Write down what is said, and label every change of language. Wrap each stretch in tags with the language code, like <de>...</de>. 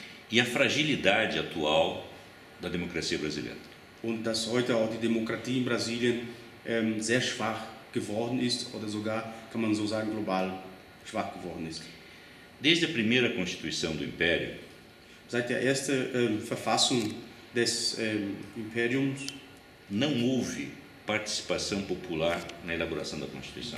<pt>E a fragilidade atual da democracia brasileira.</pt> <de>Und dass heute auch die Demokratie in Brasilien sehr schwach geworden ist oder sogar, kann man so sagen, global schwach geworden ist.</de> <pt>Desde a primeira Constituição do Império.</pt> <de>Seit der ersten Verfassung des Imperiums</de> <pt>não houve participação popular na elaboração da Constituição.</pt>